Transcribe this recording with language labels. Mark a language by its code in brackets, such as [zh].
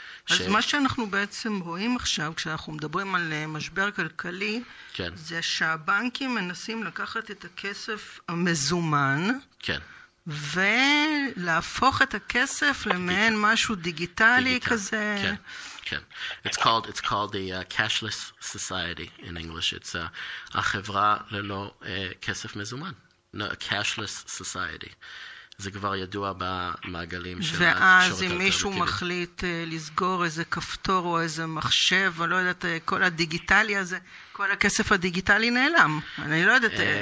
[he] אז מה שאנחנו בעצם רואים עכשיו, כשאנחנו מדברים על משבר כלכלי, כן. זה שהבנקים מנסים לקחת את הכסף המזומן, כן. ולהפוך את הכסף למעין משהו דיגיטלי כזה. כן, כן. [en] It's called the cashless society in English. [he] It's החברה ללא כסף מזומן. [en] No, a cashless society. [he] זה כבר ידוע במעגלים של התקשורת. ואז אם מישהו מחליט לסגור איזה כפתור או איזה מחשב, אני לא יודעת, כל הדיגיטלי הזה, כל הכסף הדיגיטלי נעלם. אני לא יודעת.